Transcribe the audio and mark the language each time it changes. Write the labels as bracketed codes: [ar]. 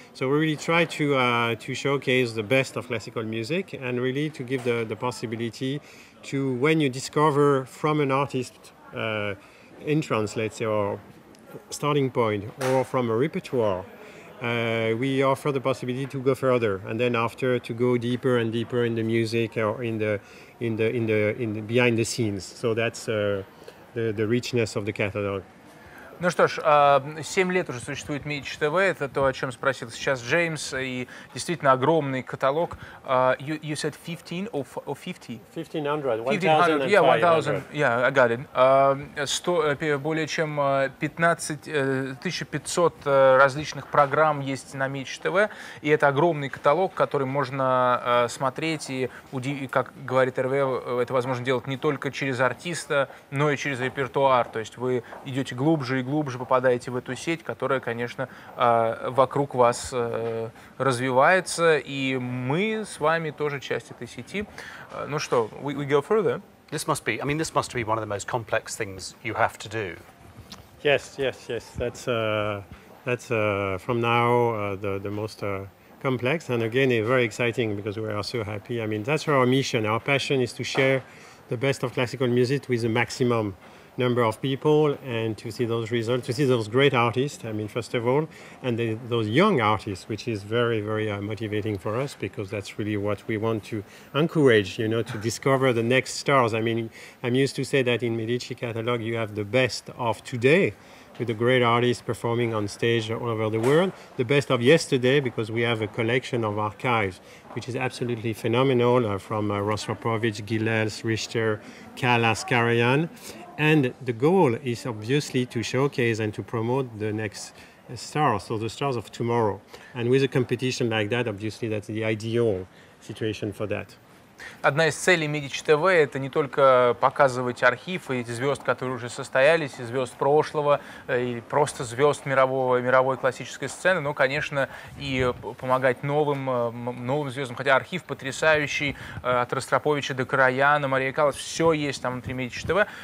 [en] So we really try to showcase the best of classical music and really to give the possibility to, when you discover from an artist entrance, let's say, or starting point, or from a repertoire, we offer the possibility to go further, and then after to go deeper and deeper in the music or in the behind the scenes. So that's the richness of the catalog. [ru] Ну что ж, 7 лет уже существует Medici TV, это то, о чем спросил сейчас Джеймс, и действительно огромный каталог. [en] You said 1,500. [ru] Более чем 1500 различных программ есть на Medici TV, и это огромный каталог, который можно смотреть, и как говорит РВ, это возможно делать не только через артиста, но и через репертуар, то есть вы идете глубже и глубже, вы же попадаете в эту сеть, которая, конечно, вокруг вас развивается, и мы с вами тоже часть этой сети. Ну что, [en] we go further. This must be one of the most complex things you have to do. Yes. That's from now the most complex, and again, it's very exciting because we are so happy. I mean, that's our mission. Our passion is to share the best of classical music with the maximum number of people, and to see those results, to see those great artists, I mean, first of all, and those young artists, which is very, very motivating for us, because that's really what we want to encourage, you know, to discover the next stars. I mean, I'm used to say that in Medici catalog, you have the best of today, with the great artists performing on stage all over the world, the best of yesterday, because we have a collection of archives, which is absolutely phenomenal, from Rostropovich, Gilels, Richter, Callas, Karajan. And the goal is obviously to showcase and to promote the next stars, so the stars of tomorrow. And with a competition like that, obviously, that's the ideal situation for that. [ru] Одна из целей Медичи ТВ – это не только показывать архив и звезд, которые уже состоялись, и звезд прошлого, и просто звезд мировой классической сцены, но, конечно, и помогать новым звездам. Хотя архив потрясающий, от Ростроповича до Караяна, Мария Каллас, все есть там внутри Медичи ТВ.